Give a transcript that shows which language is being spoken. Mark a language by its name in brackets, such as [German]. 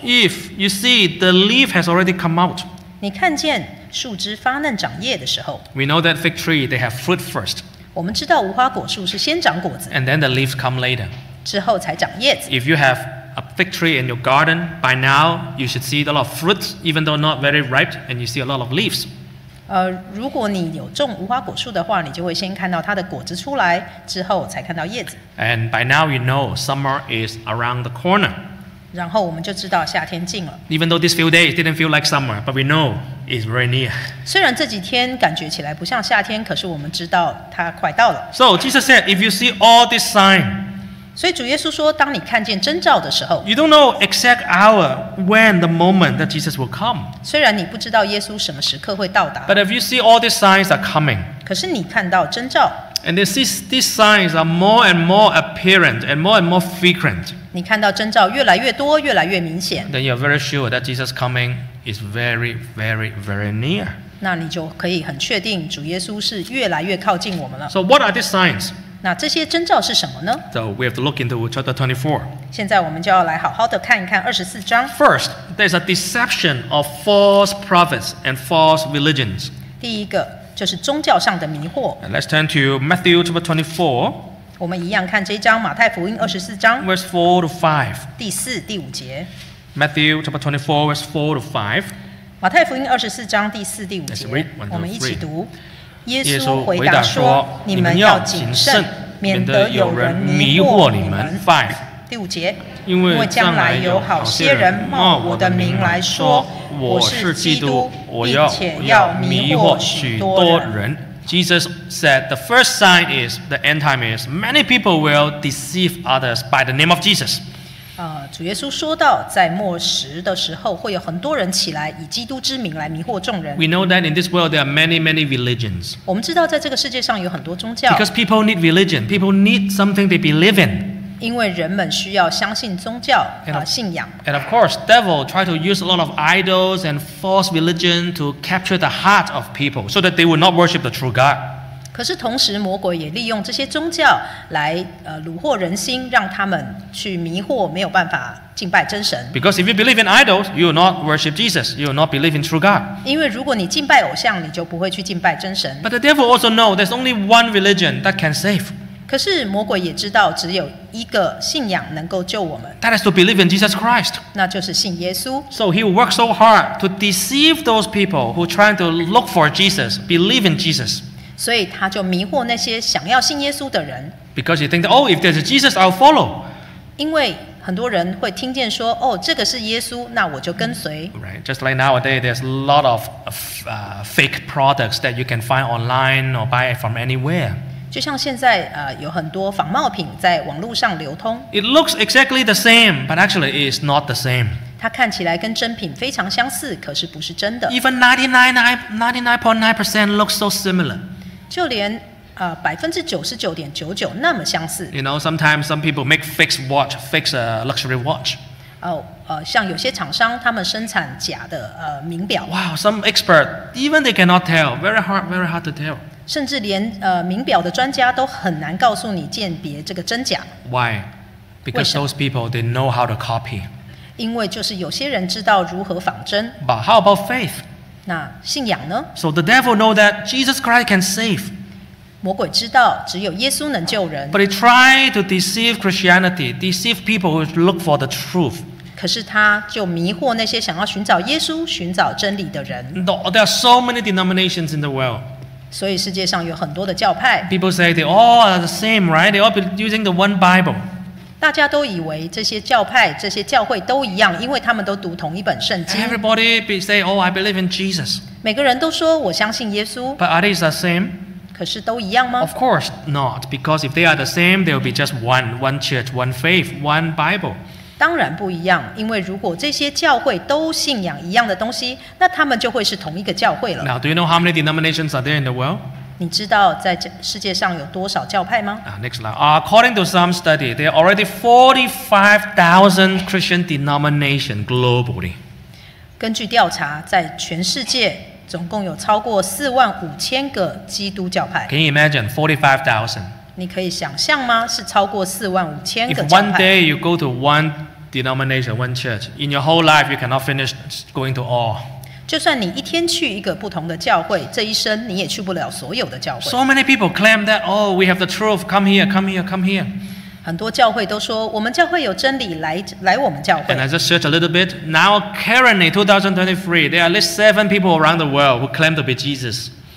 [English] If you see the leaf has already come out. [Chinese] 你看见树枝发嫩长叶的时候。 [English] We know that fig tree, they have fruit first. [Chinese] 我们知道无花果树是先长果子。 [English] And then the leaves come later. [Chinese] 之后才长叶子。 [English] If you have a fig tree in your garden, by now you should see a lot of fruit, even though not very ripe, and you see a lot of leaves. [Chinese] 如果你有种无花果树的话，你就会先看到它的果子出来，之后才看到叶子。 [English] And by now you know summer is around the corner. [Chinese] 然后我们就知道夏天近了。 [English] Even though these few days didn't feel like summer, but we know it's very near. [Chinese] 虽然这几天感觉起来不像夏天，可是我们知道它快到了。 [English] So Jesus said, if you see all this sign, [Chinese] 所以主耶稣说，当你看见征兆的时候 [English] ，you don't know exact hour when the moment that Jesus will come. [Chinese] 虽然你不知道耶稣什么时刻会到达 [English] ，but if you see all these signs are coming. [Chinese] 可是你看到征兆 [English] ，and these signs are more and more apparent and more frequent. [Chinese] 你看到征兆越来越多，越来越明显 [English] ，then you're very sure that Jesus coming is very, very, very near. [Chinese] 那你就可以很确定主耶稣是越来越靠近我们了。 [English] So what are these signs? [Chinese] 那这些征兆是什么呢 [English] ？So we have to look into chapter 24. [Chinese] 现在我们就要来好好的看一看二十四章。 [English] First, there's a deception of false prophets and false religions. [Chinese] 第一个就是宗教上的迷惑。 [English] And let's turn to Matthew chapter 24. [Chinese] 我们一样看这一章，马太福音二十四章。 [English] Verse 4 to 5. [Chinese] 第四、第五节。 [English] Matthew chapter 24, verse 4 to 5. [Chinese] 马太福音二十四章第四、第五节。 [English] Read, [Chinese] 我们一起读。耶稣回答说：“ 你们要谨慎，免得有人迷惑你们。” 第五节，因为将来有好些人冒我的名来说我是基督，并且要迷惑许多人。 [English] Jesus said, the first sign is the end time is many people will deceive others by the name of Jesus. [Chinese] 主耶稣说到，在末时的时候，会有很多人起来以基督之名来迷惑众人。 [English] We know that in this world there are many, many religions. [Chinese] 我们知道在这个世界上有很多宗教。 [English] Because people need religion, people need something they believe in. [Chinese] 因为人们需要相信宗教和信仰。 [English] And of course, devil try to use a lot of idols and false religion to capture the heart of people so that they will not worship the true God. [Chinese] 可是同时，魔鬼也利用这些宗教来虏获人心，让他们去迷惑，没有办法敬拜真神。 [English] Because if you believe in idols, you will not worship Jesus. You will not believe in true God. [Chinese] 因为如果你敬拜偶像，你就不会去敬拜真神。 [English] But the devil also know there's only one religion that can save. [Chinese] 可是魔鬼也知道只有一个信仰能够救我们。 [English] That is to believe in Jesus Christ. [Chinese] 那就是信耶稣。 [English] So he will work so hard to deceive those people who trying to look for Jesus, believe in Jesus. [Chinese] 所以他就迷惑那些想要信耶稣的人。 [English] Because you think, oh, if there's a Jesus, I'll follow. [Chinese] 因为很多人会听见说, 哦, 这个是耶稣, [English] right. Just like nowadays, there's a lot of fake products that you can find online or buy from anywhere. [Chinese] 就像现在, 有很多仿冒品在网络上流通, [English] it looks exactly the same, but actually it's not the same. [Chinese] 它看起来跟真品非常相似, [English] even 99.9% looks so similar. [Chinese] 就连 99.99% 那么相似. [English] You know, sometimes some people make fake watch, fake a luxury watch. [Chinese] 像有些厂商他们生产假的 名表. [English] Wow, some expert even they cannot tell. Very hard to tell. [Chinese] 甚至连 名表的专家都很难告诉你鉴别这个真假. [English] Why? Because those people they know how to copy. [Chinese] 因为就是有些人知道如何仿真. [English] But how about faith? [Chinese] 那信仰呢? [English] So the devil know that Jesus Christ can save. [Chinese] 魔鬼知道只有耶稣能救人, [English] but he tried to deceive Christianity, deceive people who look for the truth. [Chinese] 可是他就迷惑那些想要寻找耶稣、寻找真理的人. [English] There are so many denominations in the world. [Chinese] 所以世界上有很多的教派. [English] People say they all are the same, right? They all be using the one Bible. [Chinese] 大家都以为这些教派、这些教会都一样, 因为他们都读同一本圣经. [English] Everybody be say, oh, I believe in Jesus. [Chinese] 每个人都说我相信耶稣. [English] But are these the same? [Chinese] 可是都一样吗? [English] Of course not, because if they are the same, they will be just one church, one faith, one Bible. [Chinese] 当然不一样, 因为如果这些教会都信仰一样的东西, 那他们就会是同一个教会了。 [English] Now, do you know how many denominations are there in the world? [Chinese] 你知道在世界上有多少教派吗? [English] Next slide. According to some study, there are already 45,000 Christian denominations globally. [Chinese] 根据调查, 在全世界, 总共有超过45,000个基督教派. [English] Can you imagine 45,000? [Chinese] 你可以想象吗?是超过45,000个教派. [English] If one day you go to one denomination, one church, in your whole life you cannot finish going to all. [Chinese] 就算你一天去一个不同的教会, 这一生你也去不了所有的教会. [English] So many people claim that, oh, we have the truth, come here, come here, come here. [Chinese] 很多教会都说, 我们教会有真理, 来我们教会。 [English] And I just searched a little bit. Now, currently, 2023, there are at least 7 people around the world who claim to be Jesus.